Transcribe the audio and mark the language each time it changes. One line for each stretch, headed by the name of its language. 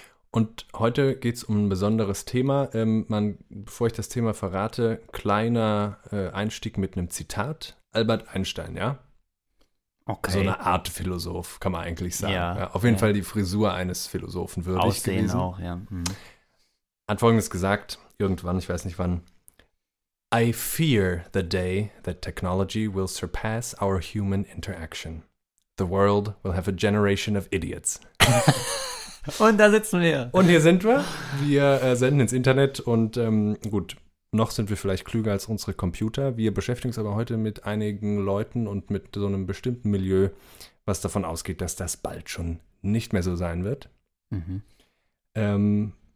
German: Und heute geht es um ein besonderes Thema. Bevor ich das Thema verrate, kleiner Einstieg mit einem Zitat. Albert Einstein, ja? Okay. So eine Art Philosoph, kann man eigentlich sagen. Ja. Ja, auf jeden Fall die Frisur eines Philosophen würdig Aussehen gewesen. Aussehen auch, ja. Mhm. Hat Folgendes gesagt, irgendwann, ich weiß nicht wann.
English: I fear the day that technology will surpass our human interaction. The world will have a generation of idiots.
German: Und da sitzen wir. Und hier sind wir. Wir senden ins Internet und gut, noch sind wir vielleicht klüger als unsere Computer. Wir beschäftigen uns aber heute mit einigen Leuten und mit so einem bestimmten Milieu, was davon ausgeht, dass das bald schon nicht mehr so sein wird. Mhm.